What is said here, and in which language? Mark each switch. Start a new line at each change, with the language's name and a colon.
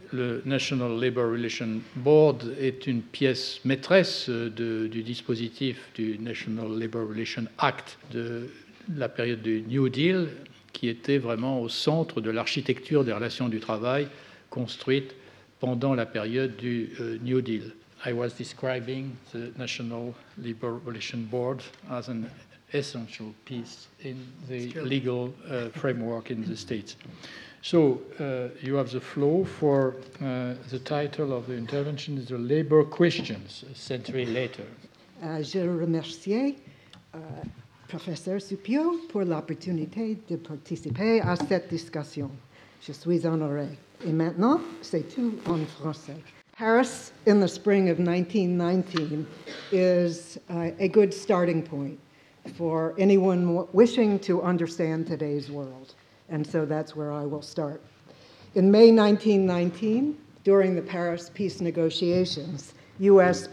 French: Le National Labor Relations Board est une pièce maîtresse du dispositif du National Labor Relations Act de la période du New Deal, qui était vraiment au centre de l'architecture des relations du travail construite pendant la période du New Deal.
English: I was describing the National Labor Relations Board as an essential piece in the legal framework in the States. So you have the floor for the title of the intervention is the Labor Questions, a century later.
French: Je remercie Professeur Supio pour l'opportunité de participer à cette discussion. Je suis honoré. Et maintenant, c'est tout en français.
English: Paris in the spring of 1919 is a good starting point for anyone wishing to understand today's world. And so that's where I will start. In May 1919, during the Paris peace negotiations, U.S.